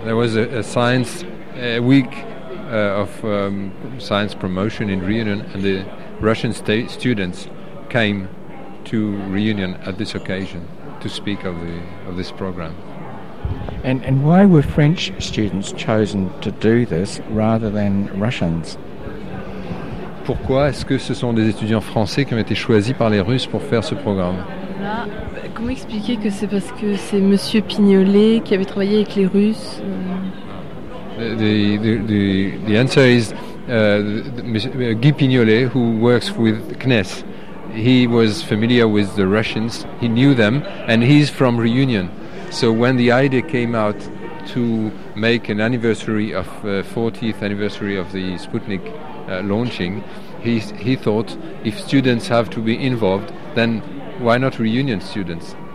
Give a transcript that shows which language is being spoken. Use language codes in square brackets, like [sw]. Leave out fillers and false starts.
[en] There was a science week of science promotion in Reunion, and the Russian state students came to Reunion at this occasion to speak of this program. And why were French students chosen to do this rather than Russians? [fr] Pourquoi est-ce que ce sont des étudiants français qui ont été choisis par les Russes pour faire ce programme? Là, comment expliquer que c'est parce que c'est Monsieur Pignolet qui avait travaillé avec les Russes? [en] The answer is Guy Pignolet, who works with CNES. He was familiar with the Russians. He knew them, and he's from Reunion. So when the idea came out to make an anniversary of 40th anniversary of the Sputnik launching, he thought if students have to be involved, then why not Reunion students?